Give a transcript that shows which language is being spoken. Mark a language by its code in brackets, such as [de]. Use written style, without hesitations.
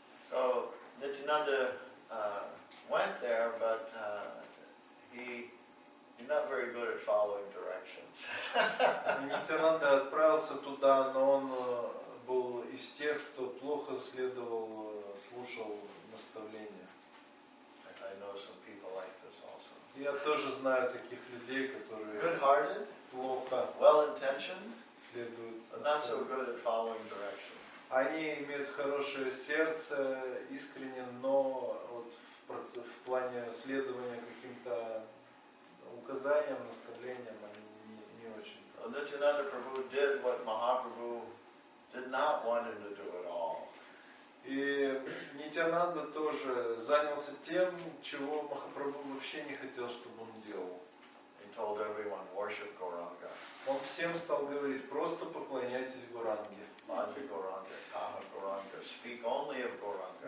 [en] So Nityananda went there, but he's not very good at following directions. [ru] Nityananda отправился туда, но он был из тех, кто плохо следовал, слушал наставления. [en] I know some people like this also. [ru] Я тоже знаю таких людей, которые [en] good-hearted, [ru] плохо, [en] well-intentioned, [ru] следуют, [en] but not so good at following directions. [ru] Они имеют хорошее сердце, искренне, но вот в плане следования каким-то указаниям, наставлениям, они не очень. [en] Nityananda Prabhu did what Mahaprabhu did not want him to do at all. [ru] И Нитянанда тоже занялся тем, чего Махапрабху вообще не хотел, чтобы он делал. [en] He told everyone, worship Gauranga. [ru] Он всем стал говорить, просто поклоняйтесь Гуранге. [en] Mantra Gauranga, Kama Gauranga, speak only of Gauranga.